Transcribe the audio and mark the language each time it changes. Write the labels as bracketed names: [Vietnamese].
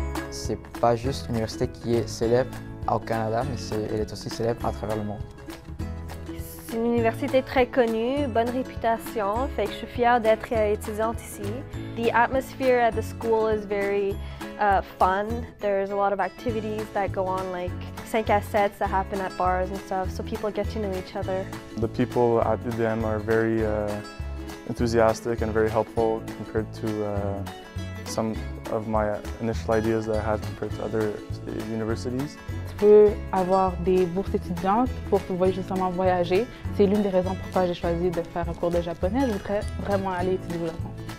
[French] c'est pas juste une université qui est célèbre au Canada, mais elle est aussi célèbre à travers le monde. C'est une université très connue, bonne réputation, fait que je suis fière d'être étudiante ici. [English] The atmosphere at the school is very fun. There's a lot of activities that go on, like 5 à 7 that happen at bars and stuff, so people get to know each other. The people at UdeM are very enthusiastic and very helpful compared to some of my initial ideas that I had compared to other universities. [French] Tu peux avoir des bourses étudiantes pour pouvoir justement voyager. C'est l'une des raisons pourquoi j'ai choisi de faire un cours de japonais. Je voudrais vraiment aller étudier au Japon.